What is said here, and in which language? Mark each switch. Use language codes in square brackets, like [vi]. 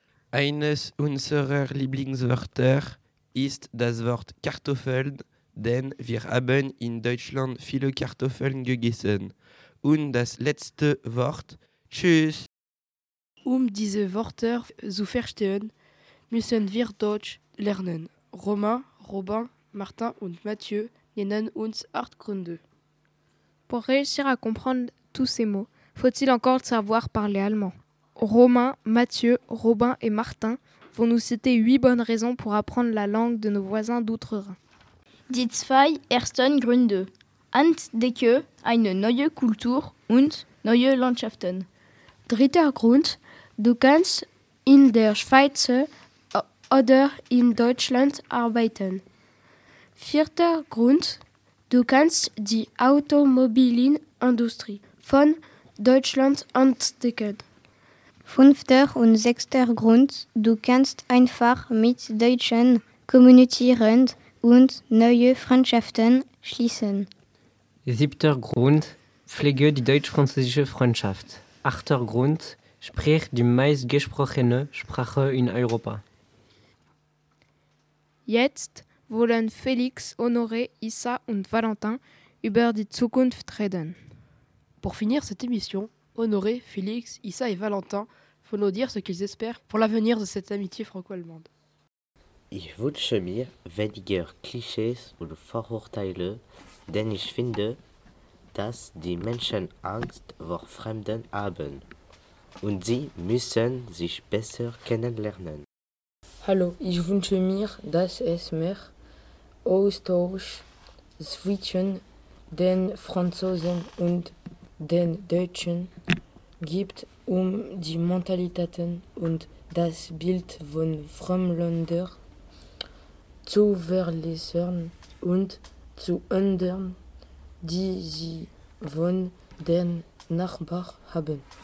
[de] Eines unserer Lieblingswörter ist das Wort Kartoffeln, denn wir haben in Deutschland viele Kartoffeln gegessen. Und das letzte Wort, tschüss. Um diese Wörter zu verstehen, müssen wir Deutsch lernen. Romain, Robin, Martin und Mathieu nennen uns 8 Gründe. [fr] Pour réussir à comprendre tous ces mots, faut-il encore savoir parler allemand? Romain, Mathieu, Robin et Martin vont nous citer 8 bonnes raisons pour apprendre la langue de nos voisins d'Outre-Rhin. [de] Die zwei ersten Gründe. Entdecke eine neue Kultur und neue Landschaften. Dritter Grund. Du kannst in der Schweiz oder in Deutschland arbeiten. Vierter Grund. Du kannst die Automobilindustrie von Deutschland entdecken. Fünfter und sechster Grund. Du kannst einfach mit Deutschen kommunizieren und neue Freundschaften schließen. Siebter Grund. Pflege die deutsch-französische Freundschaft. Achter Grund. sprich die meistgesprochene Sprache in Europa. Jetzt wollen Felix, Honoré, Issa und Valentin über die Zukunft reden. [fr] Pour finir cette émission, Honoré, Félix, Issa et Valentin vont nous dire ce qu'ils espèrent pour l'avenir de cette amitié franco-allemande. [de] Ich wünsche mir weniger Klischees und Vorurteile, denn ich finde, dass die Menschen Angst vor Fremden haben und sie müssen sich besser kennenlernen. Hallo, ich wünsche mir, dass es mehr Austausch zwischen den Franzosen und den Deutschen gibt, um die Mentalitäten und das Bild von Fremdländern zu verlässern und zu ändern, die sie von den Nachbarn haben.